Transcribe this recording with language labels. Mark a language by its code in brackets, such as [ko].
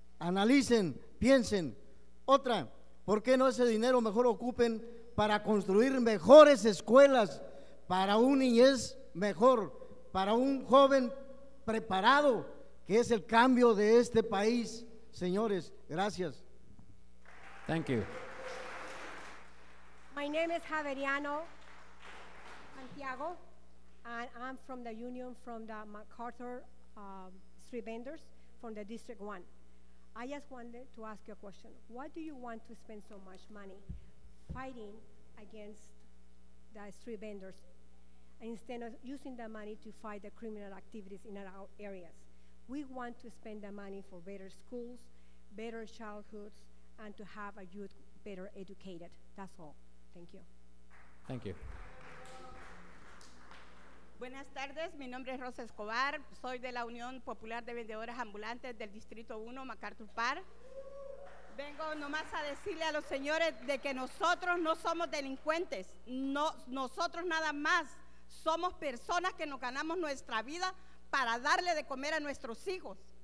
[es] Analicen, piensen. Otra, ¿por qué no ese dinero mejor ocupen para construir mejores escuelas para un niñez mejor, para un joven preparado, que es el cambio de este país? Señores, gracias. [en] Thank you. My name is Javeriano Santiago, and I'm from the union from the MacArthur Street Vendors from the District 1. I just wanted to ask you a question. Why do you want to spend so much money fighting against the street vendors instead of using the money to fight the criminal activities in our areas? We want to spend the money for better schools, better childhoods, and to have a youth better educated. That's all. Thank you. Thank you. [es] Buenas tardes, mi nombre es Rosa Escobar, soy de la Unión Popular de Vendedoras Ambulantes del Distrito 1, MacArthur Park. Vengo nomás a decirle a los señores de que nosotros no somos delincuentes, no, nosotros nada más somos personas que nos ganamos nuestra vida para darle de comer a nuestros hijos.